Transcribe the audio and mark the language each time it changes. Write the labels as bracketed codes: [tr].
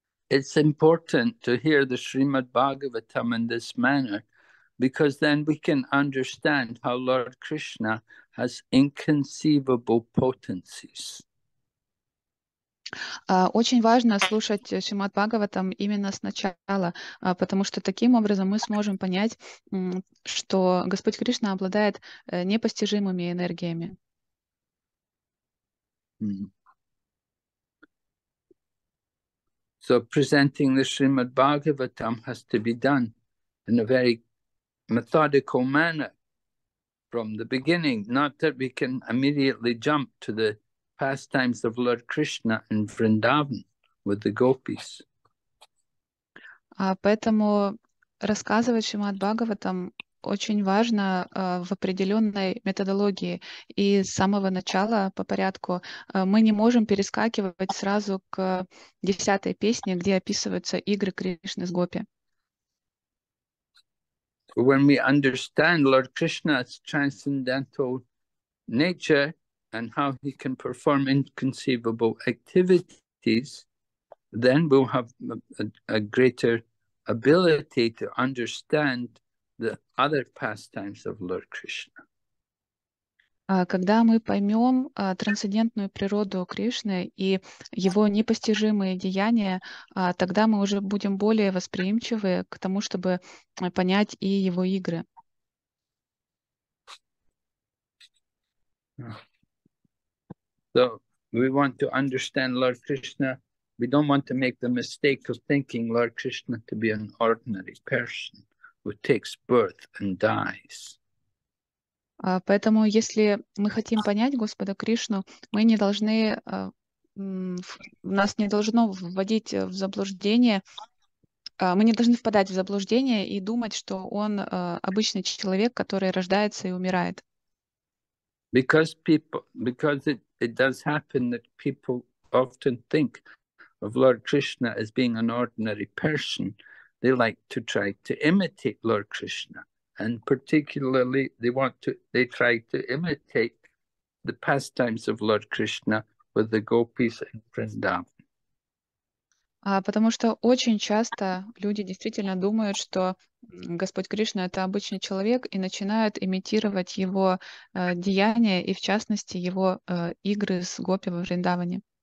[en] It's important to hear the Srimad Bhagavatam in this manner, because then we can understand how Lord Krishna has inconceivable potencies. [ru] Очень важно слушать Шримад Бхагаватам именно сначала, потому что таким образом мы сможем понять, что Господь Кришна обладает непостижимыми энергиями. [en] So presenting the Srimad Bhagavatam has to be done in a very methodical manner from the beginning, not that we can immediately jump to the pastimes of Lord Krishna in Vrindavan with the gopis. [ru] Поэтому рассказывать Шримад Бхагаватам очень важно в определенной методологии. И с самого начала, по порядку, мы не можем перескакивать сразу к 10-й песне, где описываются игры Кришны с гопи. [en] When we understand Lord Krishna's transcendental nature and how he can perform inconceivable activities, then we'll have a greater ability to understand the other pastimes of Lord Krishna. [ru] Когда мы поймем трансцендентную природу Кришны и его непостижимые деяния, тогда мы уже будем более восприимчивы к тому, чтобы понять и его игры. [en] So we want to understand Lord Krishna. We don't want to make the mistake of thinking Lord Krishna to be an ordinary person who takes birth and dies. [ru] Поэтому, если мы хотим понять Господа Кришну, мы не должны, нас не должно вводить в заблуждение, мы не должны впадать в заблуждение и думать, что он обычный человек, который рождается и умирает. [en] Because it does happen that people often think of Lord Krishna as being an ordinary person, they like to try to imitate Lord Krishna. And particularly, they try to imitate the pastimes of Lord Krishna with the gopis in Vrindavan. [ru] Потому что очень часто люди действительно думают, что Господь Кришна — это обычный человек, и начинают имитировать его деяния, и в частности, его игры с гопи во Вриндаване.